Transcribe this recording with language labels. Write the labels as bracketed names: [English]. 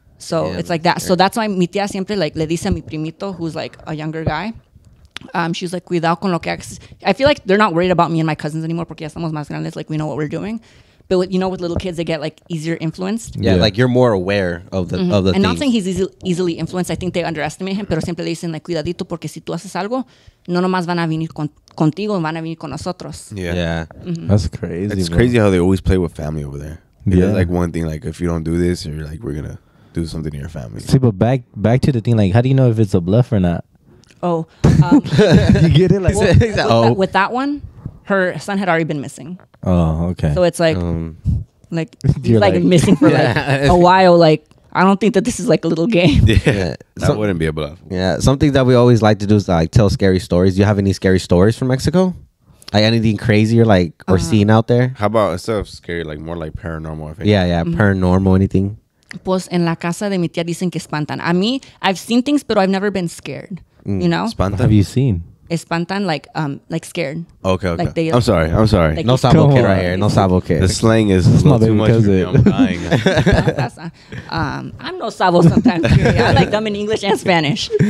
[English] So it's like that. So that's why [Spanish] mi tía siempre [English] like [Spanish] le dice a mi primito, [English] who's like a younger guy, She was like, [Spanish] cuidado con lo que haces. [English] I feel like they're not worried about me and my cousins anymore [Spanish] porque ya estamos más grandes, [English] like we know what we're doing. But with, you know, with little kids, they get like easier influenced. Yeah, yeah. Like you're more aware of the mm-hmm. of the. And not saying he's easily influenced. I think they underestimate him. [Spanish] Pero siempre le dicen like, cuidadito porque si tú haces algo, no nomás van a venir contigo, van a venir con nosotros. [English] Yeah, yeah. Mm-hmm. That's crazy. It's crazy how they always play with family over there. Yeah. It's like one thing, like if you don't do this, you're like, we're gonna do something to your family. See, but back to the thing, like, how do you know if it's a bluff or not? Oh, you get it? Like, well, With that one, her son had already been missing. Oh, okay. So it's like he's like missing for like a while. Like, I don't think that this is like a little game. Yeah, that wouldn't be a bluff. Yeah, something that we always like to do is like tell scary stories. Do you have any scary stories from Mexico? Like anything crazy or like or seen out there? How about instead of scary, like more like paranormal? I think. Yeah, yeah, mm-hmm. Paranormal. Anything? [Spanish] Pues en la casa de mi tía dicen que espantan. A mí, [English] I've seen things, pero I've never been scared. Mm. You know? Espantan. Have you seen? Espantan, like scared. Okay. Like they, I'm sorry. [Spanish] Like, no sabo que [English] right here. [Spanish] No sabo que. [English] The slang is too much. I'm dying. I'm [Spanish] no sabo [English] sometimes. I like them in English and Spanish.